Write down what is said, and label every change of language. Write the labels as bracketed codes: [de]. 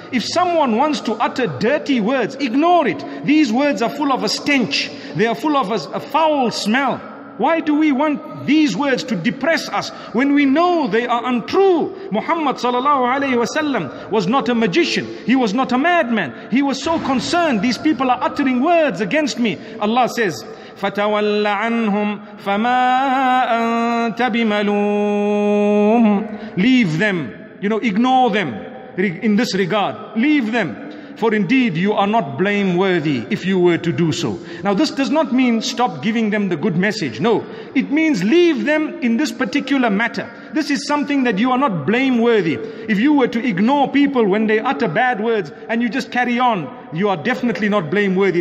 [en] If someone wants to utter dirty words, ignore it. These words are full of a stench. They are full of a foul smell. Why do we want these words to depress us when we know they are untrue? Muhammad sallallahu alaihi wasallam was not a magician. He was not a madman. He was so concerned. These people are uttering words against me. [ar] Allah says, فَتَوَلَّ عَنْهُمْ فَمَا أَنْتَ بِمَلُومٍ. [en] Leave them. You know, ignore them in this regard. Leave them. For indeed, you are not blameworthy if you were to do so. Now, this does not mean stop giving them the good message. No, it means leave them in this particular matter. This is something that you are not blameworthy. If you were to ignore people when they utter bad words and you just carry on, you are definitely not blameworthy.